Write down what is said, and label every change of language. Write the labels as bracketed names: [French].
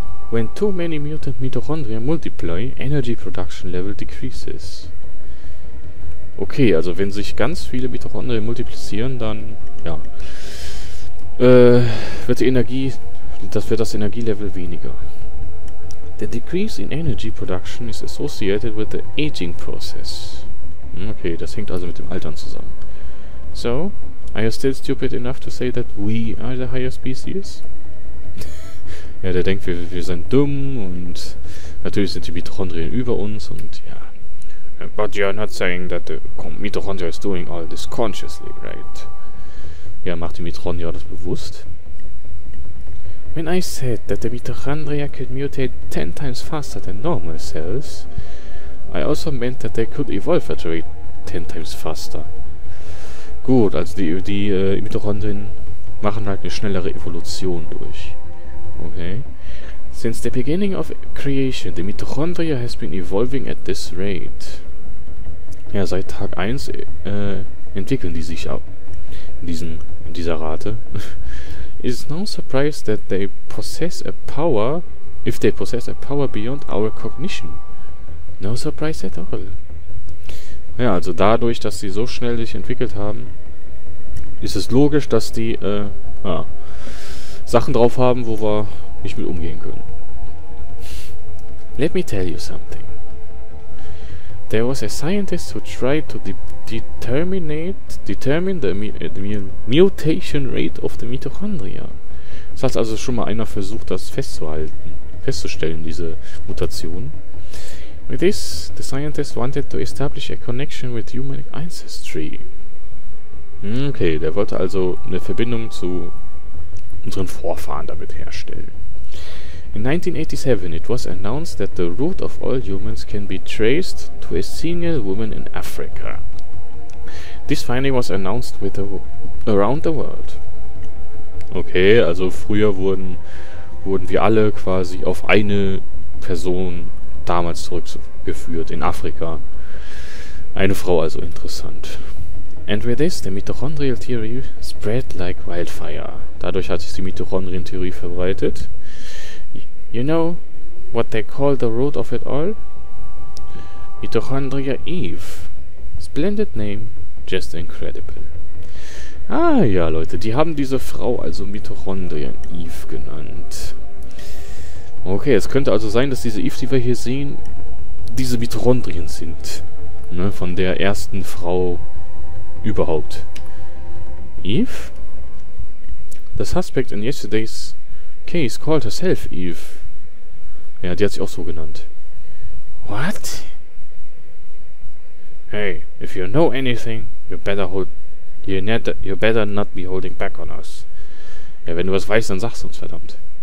[English] When too many mutant mitochondria multiply, energy production level decreases. [German] Okay, also wenn sich ganz viele Mitochondrien multiplizieren, dann, ja, wird das Energielevel weniger. [English] The decrease in energy production is associated with the aging process. [German] Okay, das hängt also mit dem Altern zusammen. [English] So, are you still stupid enough to say that we are the higher species? [German] Ja, der denkt, wir sind dumm und natürlich sind die Mitochondrien über uns und ja. [English] But you're not saying that the mitochondria is doing all this consciously, right? [German] Ja, macht die Mitochondria das bewusst? [English] When I said that the mitochondria could mutate 10 times faster than normal cells, I also meant that they could evolve at rate 10 times faster. [German] Gut, also die Mitochondrien machen halt eine schnellere Evolution durch. Okay. [English] Since the beginning of creation, the mitochondria has been evolving at this rate. [German] Ja, seit Tag 1 entwickeln die sich auch in dieser Rate. [English] It is no surprise that they possess a power, if they possess a power beyond our cognition. No surprise at all. [German] Ja, also dadurch, dass sie so schnell sich entwickelt haben, ist es logisch, dass die Sachen drauf haben, wo wir nicht mit umgehen können. [English] Let me tell you something. There was a scientist who tried to determine the mutation rate of the mitochondria. [German] Es hat also schon mal einer versucht, das festzustellen, diese Mutation. [English] With this, the scientist wanted to establish a connection with human ancestry. [German] Okay, der wollte also eine Verbindung zu unseren Vorfahren damit herstellen. [English] In 1987, it was announced that the root of all humans can be traced to a single woman in Africa. This finding was announced around the world. [German] Okay, also früher wurden wir alle quasi auf eine Person damals zurückgeführt, in Afrika. Eine Frau, also interessant. [English] And with this, the mitochondrial theory spread like wildfire. [German] Dadurch hat sich die Mitochondrien-Theorie verbreitet. [English] You know what they call the root of it all? Mitochondria Eve. Splendid name, just incredible. [German] Ah ja, Leute, die haben diese Frau also Mitochondrien Eve genannt. Okay, es könnte also sein, dass diese Eve, die wir hier sehen, diese Mitochondrien sind. Ne, von der ersten Frau überhaupt. Eve? [English] The suspect in yesterday's case called herself Eve. [German] Ja, die hat sich auch so genannt. [English] What? Hey, if you know anything, you better not be holding back on us. [German] Ja, wenn du was weißt, dann sag's uns, verdammt.